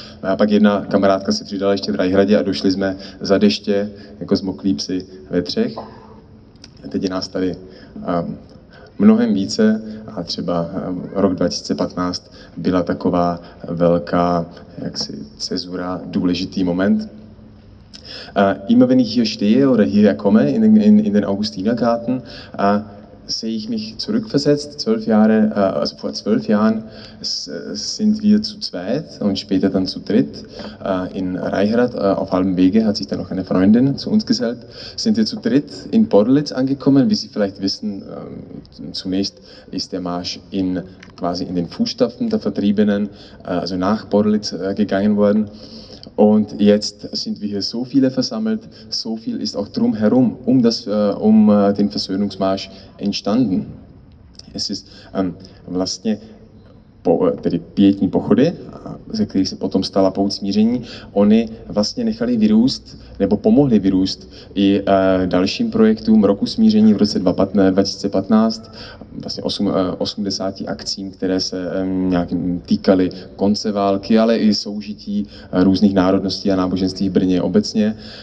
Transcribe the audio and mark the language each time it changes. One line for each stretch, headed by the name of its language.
Czech: A pak jedna kamarádka si přidala ještě v Rajhradě a došli jsme za deště jako zmoklí psi ve třech. A teď je nás tady mnohem více a třeba rok 2015 byla taková velká jaksi cezura, důležitý moment.
German: Immer wenn ich hier stehe oder hier komme in den Augustinergarten, sehe ich mich zurückversetzt, 12 Jahre, also vor 12 Jahren sind wir zu zweit und später dann zu dritt in Reichrath, auf halbem Wege hat sich dann noch eine Freundin zu uns gesellt, sind wir zu dritt in Podlitz angekommen. Wie Sie vielleicht wissen, zunächst ist der Marsch in quasi in den Fußstapfen der Vertriebenen, also nach Podlitz gegangen worden. Und jetzt sind wir hier so viele versammelt, so viel ist auch drumherum, den Versöhnungsmarsch entstanden. Es ist
Czech: vlastně tedy pětní pochody, ze kterých se potom stala pouť smíření, oni vlastně nechali vyrůst, nebo pomohli vyrůst i dalším projektům roku smíření v roce 2015, vlastně 80 akcím, které se nějak týkaly konce války, ale i soužití různých národností a náboženství v Brně obecně.